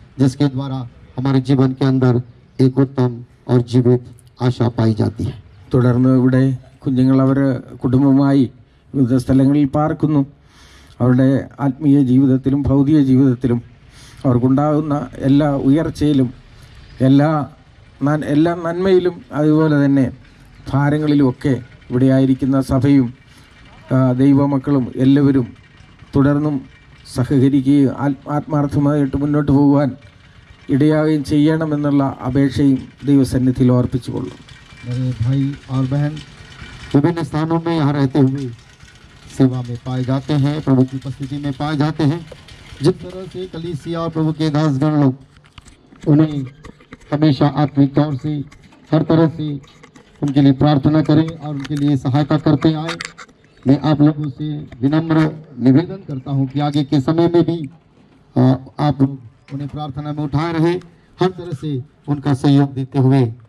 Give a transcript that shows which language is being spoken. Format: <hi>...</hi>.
<hi>जिसके द्वारा हमारे जीवन के अंदर एक उत्तम और जीवित आशा पाई जाती है।</hi> <ml>തുടർന്ന് ഇവിടെ കുഞ്ഞുങ്ങളവരെ കുടുംബവുമായി വിവിധ സ്ഥലങ്ങളിൽ പാർക്കുന്നു. അവരുടെ ആത്മീയ ജീവിതത്തിലും ഭൗതിക ജീവിതത്തിലും അവർക്കുണ്ടാകുന്ന എല്ലാ ഉയർച്ചയിലും എല്ലാ നന്മയിലും അതുപോലെ തന്നെ ഭാരങ്ങളിലുമൊക്കെ ഇവിടെ ആയിരിക്കുന്ന സഭയും ദൈവമക്കളും എല്ലാവരും തുടർന്നും സഹകരിക്കുകയും ആത്മാർത്ഥമായിട്ട് മുന്നോട്ട് പോകുവാൻ ഇടയാവുകയും ചെയ്യണമെന്നുള്ള അപേക്ഷയും ദൈവസന്നിധിയിൽ ഓർപ്പിച്ചുകൊള്ളും।</ml> <hi>मेरे भाई और बहन विभिन्न स्थानों में यहाँ रहते हुए सेवा में पाए जाते हैं, प्रभु की उपस्थिति में पाए जाते हैं। जिस तरह से कलीसिया और प्रभु के दासगण लोग उन्हें हमेशा आत्मिक तौर से हर तरह से उनके लिए प्रार्थना करें और उनके लिए सहायता करते आए, मैं आप लोगों से विनम्र निवेदन करता हूँ कि आगे के समय में भी आप लोग उन्हें प्रार्थना में उठाए रहे, हर तरह से उनका सहयोग देते हुए</hi>